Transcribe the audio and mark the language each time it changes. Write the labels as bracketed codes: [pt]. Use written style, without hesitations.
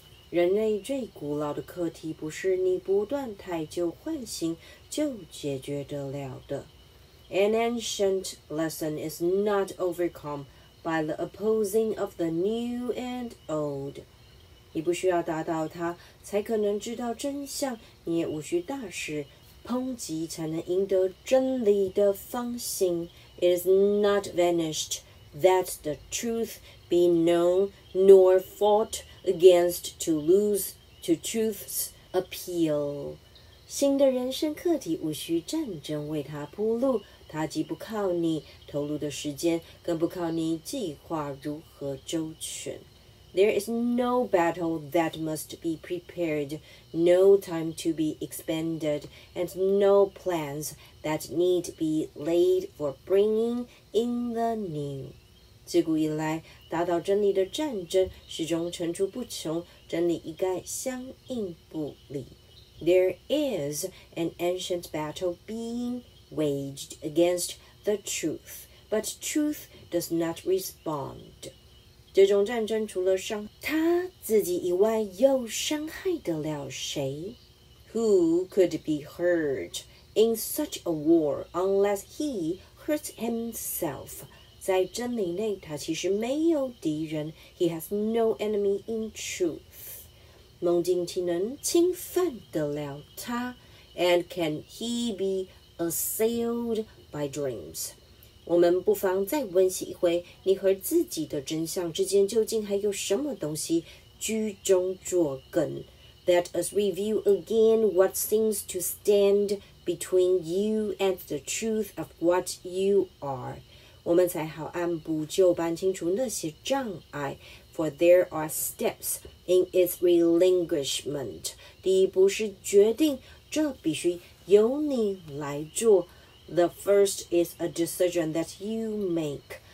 [zh] 人类最古老的课题不是你不断太旧换新就解决得了的。 [en] An ancient lesson is not overcome by the opposing of the new and old. [zh] 你不需要达到它才可能知道真相，你也无需大事抨击才能赢得真理的芳心。 [en] It is not vanished that the truth be known, nor fought against to lose to truth's appeal. [zh] 新的人生课题无需战争为它铺路，它既不靠你投入的时间，更不靠你计划如何周全。 [en] There is no battle that must be prepared, no time to be expended, and no plans that need be laid for bringing in the new. [zh] 自古以来，达到真理的战争始终层出不穷，真理一概相应不离。 [en] There is an ancient battle being waged against the truth, but truth does not respond. [zh] 这种战争除了伤他自己以外又伤害得了谁？ [en] Who could be hurt in such a war unless he hurts himself? [zh] 在真理内他其实没有敌人， [en] He has no enemy in truth. [zh] 梦境岂能侵犯得了他？ [en] And can he be assailed by dreams? [zh] 我们不妨再温习一回，你和自己的真相之间究竟还有什么东西居中作梗。 [en] Let us review again what seems to stand between you and the truth of what you are. [zh] 我们才好按部就班清除那些障碍。 [en] For there are steps in its relinquishment. [zh] 第一步是决定，这必须由你来做。 [en] The first is a decision that you make.